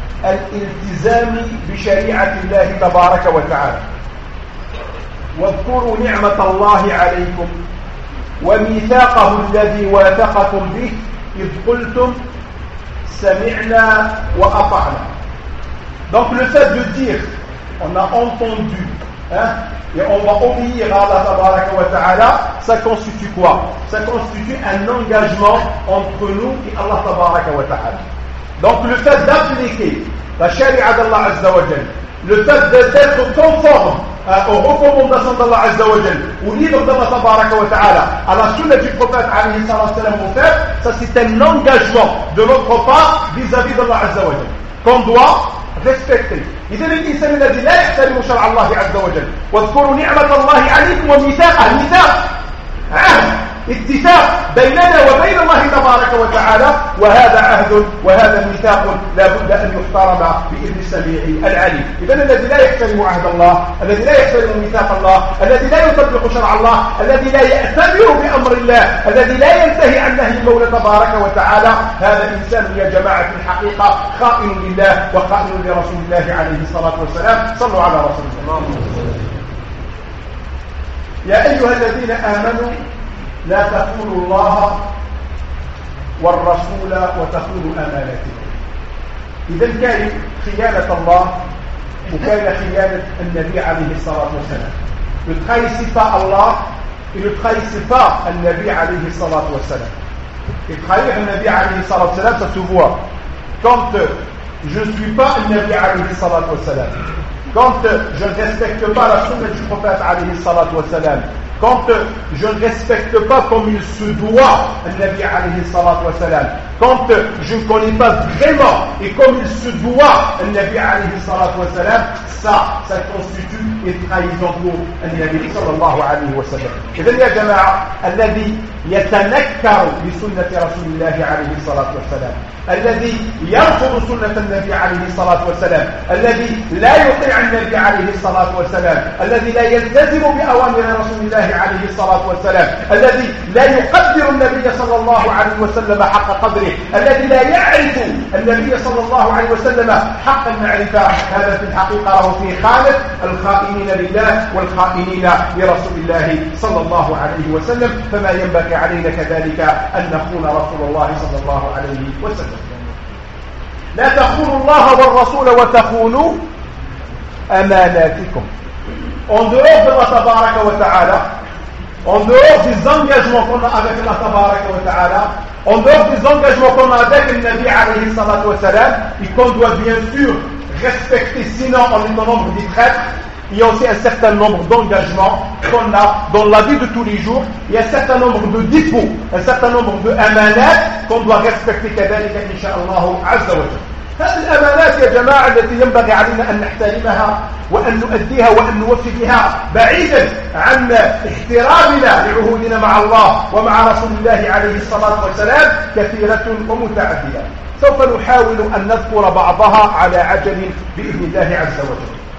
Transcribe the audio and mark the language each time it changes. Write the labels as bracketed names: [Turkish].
[Arabic] الالتزام بشريعة الله تبارك وتعالى. واذكروا نعمة الله عليكم وميثاقه الذي واثقكم به إذ قلتم سمعنا وأطعنا. [French] Donc le fait de dire on a entendu et on va obéir à Allah tabaraka wa ta'ala, ça constitue quoi? Ça constitue un engagement entre nous et Allah tabaraka wa ta'ala. Donc le fait d'appliquer la sharia d'Allah azza wa jal, le fait d'être conforme aux recommandations d'Allah azza wa jal, au livre d'Allah tabaraka wa ta'ala, à la sunna du prophète alayhi salam salam, ça c'est un engagement de notre part vis-à-vis d'Allah azza wa jal, qu'on doit respecter. [Arabic] إذن الإنسان الذي لا يحترم شرع الله عز وجل واذكروا نعمة الله عليكم وميثاقه، ميثاق عهد اتفاق بيننا وبين الله تبارك وتعالى، وهذا عهد وهذا ميثاق لا بد أن يحترم بإذن السميع العليم. إذن الذي لا يحترم عهد الله، الذي لا يحترم ميثاق الله، الذي لا يطبق شرع الله، الذي لا يأتمر بأمر الله، الذي لا ينتهي عن نهي المولى تبارك وتعالى، هذا الإنسان يا جماعة الحقيقة خائن لله وخائن لرسول الله عليه الصلاة والسلام. صلوا على رسول الله. يا أيها الذين آمنوا لا تخونوا الله والرسول وتخونوا أماناتكم. إذا كان خيانة الله وكان خيانة النبي عليه الصلاة والسلام. Le trahissifa Allah et le trahissifa النبي عليه الصلاة والسلام. [French] Et trahir النبي عليه الصلاة والسلام, ça se voit. Quand je ne suis pas النبي عليه الصلاة والسلام, quand je ne respecte pas la sunna du prophète alayhi salat wa salam, quand je ne respecte pas comme il se doit Nabi alayhi salat wa salam, quand je ne connais pas vraiment et comme il se doit Nabi alayhi salat wa salam, ça constitue une trahison pour Nabi sallallahu alayhi wa salam. Et bien, [Arabic] ya jama'a, alladhi yatanakkaru bi sunnati rasulillahi alayhi salat wa salam, الذي يرفض سنة النبي عليه الصلاة والسلام، الذي لا يطيع النبي عليه الصلاة والسلام، الذي لا يلتزم بأوامر رسول الله عليه الصلاة والسلام، الذي لا يقدر النبي صلى الله عليه وسلم حق قدره، الذي لا يعرف النبي صلى الله عليه وسلم حق المعرفة، هذا في الحقيقة هو في خالف الخائنين لله والخائنين لرسول الله صلى الله عليه وسلم. فما ينبغي علينا كذلك أن نخون رسول الله صلى الله عليه وسلم. لا تخونوا الله والرسول وتخونوا أماناتكم. [French] En dehors de Allah tabaraka wa ta'ala, en dehors des engagements qu'on a avec Allah tabaraka wa ta'ala, en dehors des engagements qu'on a avec le Nabi alayhi salatu wa salam, et qu'on doit bien sûr respecter, sinon on est dans le nombre des traîtres, il y a aussi un certain nombre d'engagements qu'on a dans la vie de tous les jours. Il y a un certain nombre de dépôts, un certain nombre de amanat qu'on doit respecter كذلك إن شاء الله عز وجل. [Arabic] هذه الأمانات يا جماعة التي ينبغي علينا أن نحترمها وأن نؤديها وأن نوفي بها بعيدا عن احترامنا لعهودنا مع الله ومع رسول الله عليه الصلاة والسلام كثيرة ومتعددة. سوف نحاول أن نذكر بعضها على عجل بإذن الله عز وجل.